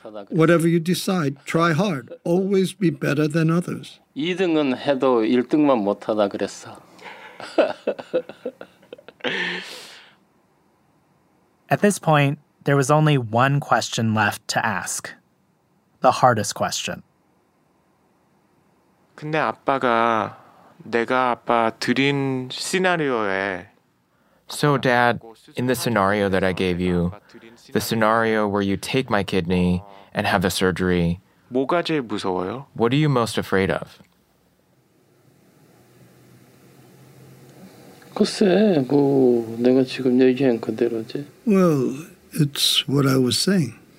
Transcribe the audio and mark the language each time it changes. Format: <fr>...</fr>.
<en>Whatever you decide, try hard. Always be better than others. At this point, there was only one question left to ask. The hardest question.</en> <ko>근데 아빠가 내가 아빠 드린 시나리오에.</ko> <en>So, Dad, in the scenario that I gave you, the scenario where you take my kidney and have the surgery,</en> <ko>뭐가 제일 무서워요?</ko> <en>What are you most afraid of?</en> <ko>글쎄, 뭐 내가 지금 얘기한 그대로지.</ko> <en>Well, it's what I was saying.</en>